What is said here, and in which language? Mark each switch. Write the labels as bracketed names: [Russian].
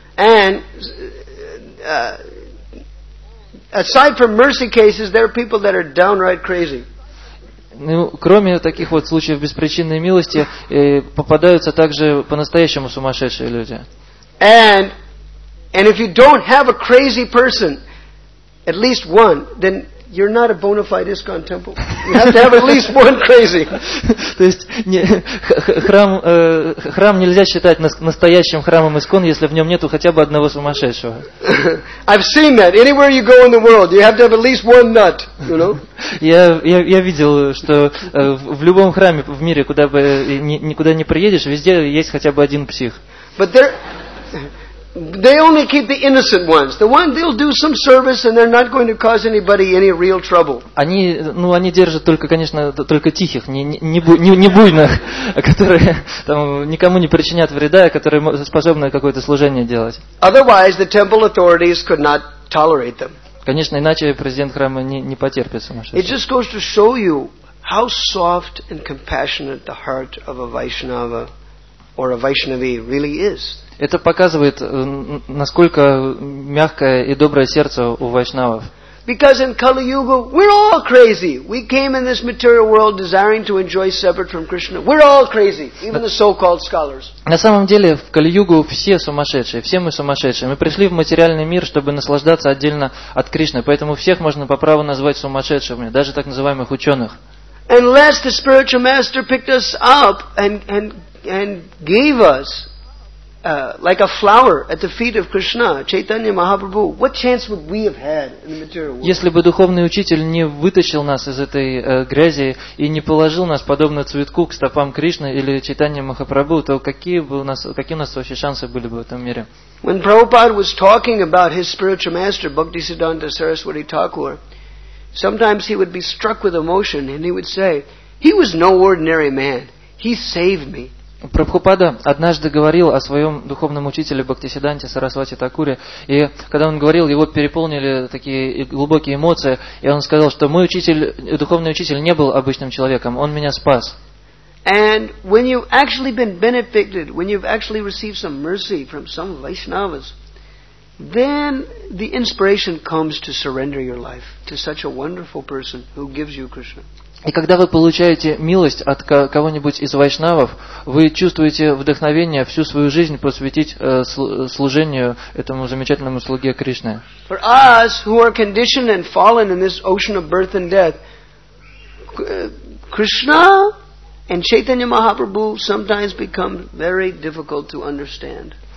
[English] And aside from mercy cases, there are people that are downright crazy. [Russian] Ну, кроме таких вот случаев беспричинной милости, попадаются также по-настоящему сумасшедшие люди. [English] And if you don't have a crazy person, at least one, then you're not a bona fide ISKCON temple. You have to have at least one crazy. [Russian] То есть храм нельзя считать настоящим храмом ИСККОН, если в нем нету хотя бы одного сумасшедшего. [English] I've seen that. Anywhere you go in the world, you have to have at least one nut, you know? [Russian] Я видел, что в любом храме в мире, куда бы никуда не приедешь, везде есть хотя бы один псих. [English] But there they only keep the innocent ones. The one they'll do some service and they're not going to cause anybody any real trouble. [Russian] Они, ну, они держат только, конечно, только тихих, не буйных, которые там никому не причинят вреда, которые способны какое-то служение делать. [English] Otherwise, the temple authorities could not tolerate them. [Russian] Конечно, иначе президент храма не потерпит сумасшествие. Это показывает, насколько мягкое и доброе сердце у вайшнавов. [English] Because in Kali Yuga, we're all crazy. We came in this material world desiring to enjoy separate from Krishna. We're all crazy, even the so-called scholars. [Russian] На самом деле, в Кали-Югу все сумасшедшие, все мы сумасшедшие. Мы пришли в материальный мир, чтобы наслаждаться отдельно от Кришны. Поэтому всех можно по праву назвать сумасшедшими, даже так называемых ученых. [English] Unless the spiritual master picked us up and gave us like a flower at the feet of Krishna, Chaitanya Mahaprabhu, what chance would we have had in the material world? [Russian] Если бы духовный учитель не вытащил нас из этой грязи и не положил нас подобно цветку к стопам Кришны или Чайтанья Махапрабху, то какие у нас вообще шансы были бы в этом мире? [English] When Prabhupada was talking about his spiritual master, Bhaktisiddhanta Saraswati Thakur, sometimes he would be struck with emotion and he would say, he was no ordinary man, he saved me. [Russian] Прабхупада однажды говорил о своем духовном учителе Бхактисиддханте Сарасвати Такуре, и когда он говорил, его переполнили такие глубокие эмоции, и он сказал, что мой учитель, духовный учитель не был обычным человеком, он меня спас. [English] And when you've actually been benefited, when you've actually received some mercy from some Vaishnavas, then the inspiration comes to surrender your life to such a wonderful person who gives you Krishna. [Russian] И когда вы получаете милость от кого-нибудь из вайшнавов, вы чувствуете вдохновение всю свою жизнь посвятить служению этому замечательному слуге Кришны. [English] For us, who are conditioned and fallen in this ocean of birth and death, Krishna and Chaitanya Mahaprabhu sometimes become very difficult to understand.